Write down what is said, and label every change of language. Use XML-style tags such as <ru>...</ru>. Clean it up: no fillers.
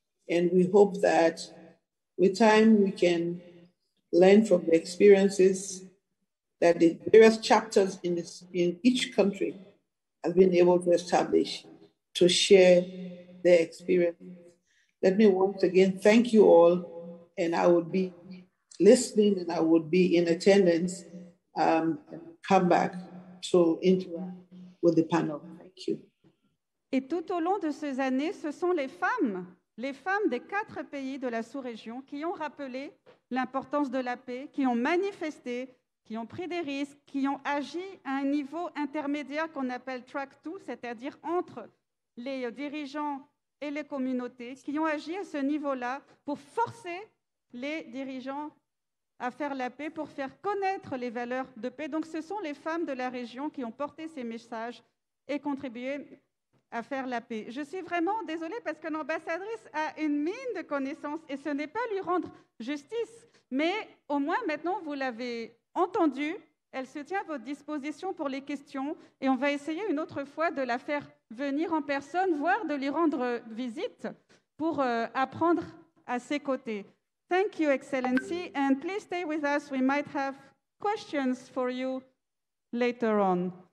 <en>And we hope that with time we can learn from the experiences that the various chapters in each country have been able to establish to share their experience. Let me once again thank you all, and I would be listening and I would be in attendance and come back to interact with the panel. Thank you.</en> <fr>Et tout au long de ces années, ce sont les femmes des quatre pays de la sous-région qui ont rappelé l'importance de la paix, qui ont manifesté, qui ont pris des risques, qui ont agi à un niveau intermédiaire qu'on appelle track two, c'est-à-dire entre les dirigeants et les communautés, qui ont agi à ce niveau-là pour forcer les dirigeants à faire la paix, pour faire connaître les valeurs de paix. Donc ce sont les femmes de la région qui ont porté ces messages et contribué à faire la paix. Je suis vraiment désolée parce que l'ambassadrice a une mine de connaissances et ce n'est pas lui rendre justice, mais au moins maintenant vous l'avez entendu, elle se tient à votre disposition pour les questions et on va essayer une autre fois de la faire venir en personne, voire de lui rendre visite pour apprendre à ses côtés.</fr> <en>Thank you, Excellency, and please stay with us. We might have questions for you later on.</en>